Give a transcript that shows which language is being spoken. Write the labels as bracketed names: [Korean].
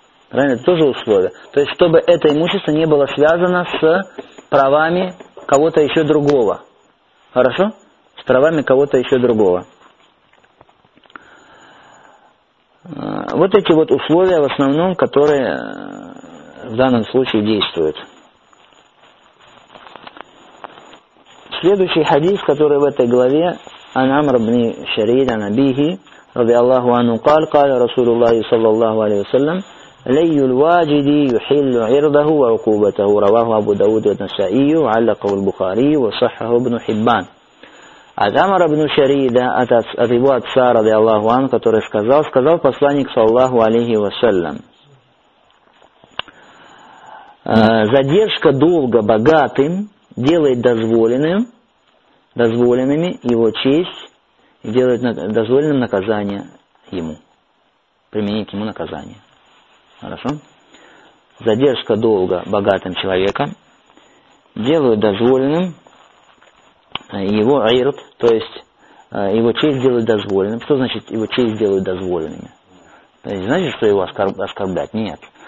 [Russian] Правильно, это тоже условие. То есть, чтобы это имущество не было связано с правами кого-то еще другого. Хорошо? С правами кого-то еще другого. Вот эти вот условия в основном, которые в данном случае действуют. Следующий хадис, который в этой главе, [Arabic] Анамр ибн Шарид анабихи, رضي الله عنه قال قال رسول الله صلى الله عليه وسلم لي الواجد يحل عرضه وعقوبته رواه أبو داود والنسائي وعلقه البخاري وصححه ابن حبان [Russian] عمر بن شريد от его отца [Arabic] رضي الله عنه [Russian] который сказал посланник [Arabic] صلى الله عليه وسلم [Russian] задержка долга богатым делает дозволенными его честь и делает дозволенным наказание ему, применить ему наказание. Хорошо? Задержка долга богатым человеком делает дозволенным его айрт, то есть его честь делает дозволенным. Что значит его честь делает дозволенным? То есть значит, что его оскорблять? Нет.